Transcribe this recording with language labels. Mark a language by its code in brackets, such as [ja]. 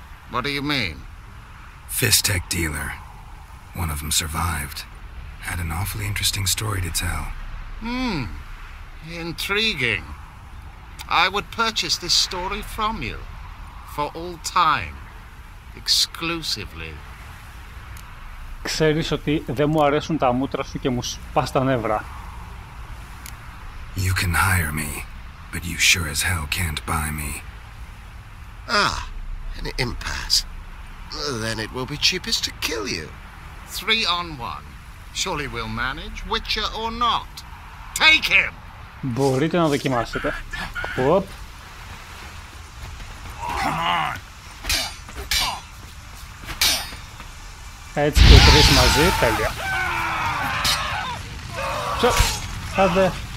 [en] What do you mean? Fistech dealer. One of them survived. Had an awfully interesting story to tell. Intriguing. I would purchase this story from you. For all time. Exclusively. [el] Ξέρεις ότι δεν μου αρέσουν τα μούτρα σου και μου σπάς τα νεύρα. [en] You can hire me, but you sure as hell can't buy me. Ah, an impasse. Then it will be cheapest to kill you. 3-on-1. Surely we'll manage, Witcher or not. Take him! [el] Μπορείτε να δοκιμάσετε. Οπ. [en] Come on! [el] Έτσι και τρεις μαζί, τέλεια. Άντε.